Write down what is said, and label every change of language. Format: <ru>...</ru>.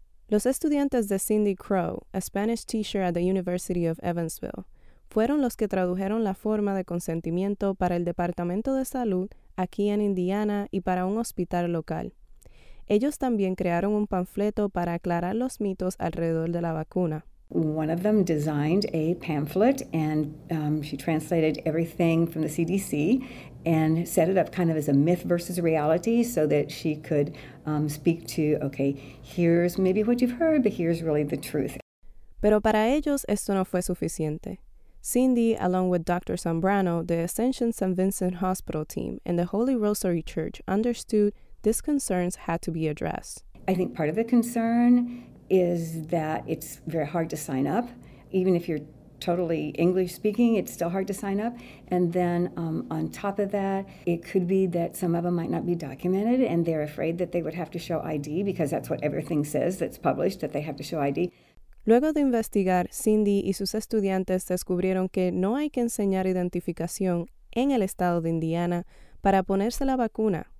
<es>Los estudiantes de Cindy Crow,</es> <en>a Spanish teacher at the University of Evansville,</en> <es>fueron los que tradujeron la forma de consentimiento para el Departamento de Salud aquí en Indiana y para un hospital local. Ellos también crearon un panfleto para aclarar los mitos alrededor de la vacuna.</es> <en>One of them designed a pamphlet and she translated everything from the CDC and set it up kind of as a myth versus reality so that she could speak to, okay, here's maybe what you've heard, but here's really the truth.</en> <es>Pero para ellos esto no fue suficiente. Cindy,</es> <en>along with Dr. Zambrano, the Ascension St. Vincent Hospital team, and the Holy Rosary Church understood these concerns had to be addressed. I think part of the concern is that it's very hard to sign up. Even if you're totally English speaking, it's still hard to sign up. And then on top of that, it could be that some of them might not be documented and they're afraid that they would have to show ID because that's what everything says that's published, that they have to show ID.</en> <es>Luego de investigar, Cindy y sus estudiantes descubrieron que no hay que enseñar identificación en el estado de Indiana para ponerse la vacuna.</es>